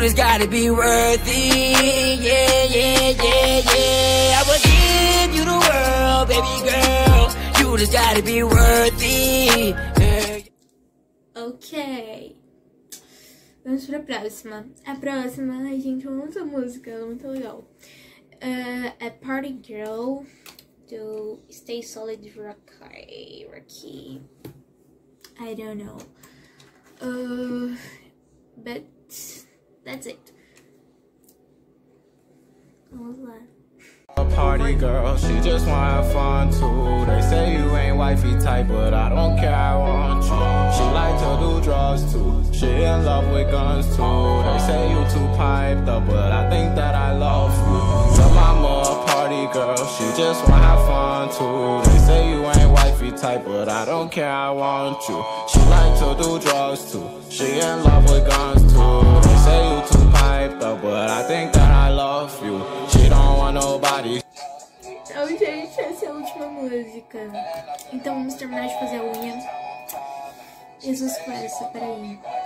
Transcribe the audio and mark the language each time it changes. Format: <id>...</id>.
<en>dude, it's gotta be worth it. Yeah, yeah, yeah, yeah. I will give you the world, baby girl. Dude, it's gotta be worth it. Yeah.</en> <pt>Okay. Vamos pra próxima. A próxima, ai gente, eu amo essa música, ela é muito legal. É Party Girl do Stay Solid Rocky.</pt> <en>I don't know. But that's it.</en> <pt>Vamos lá.</pt> <en>A party girl, she just want fun too. They say you ain't wifey type, but I don't care, I want you. She like to do drugs too, she in love with guns too. They say you too piped up, but I think that I love you. So I'm a party girl, she just want fun too. They say you ain't wifey type, but I don't care, I want you. She like to do drugs too, she in love with guns too. They say you too piped up, but I think that I love you.</en> <pt>Então, gente, essa é a última música. Então vamos terminar de fazer a unha. Jesus Cristo, peraí.</pt>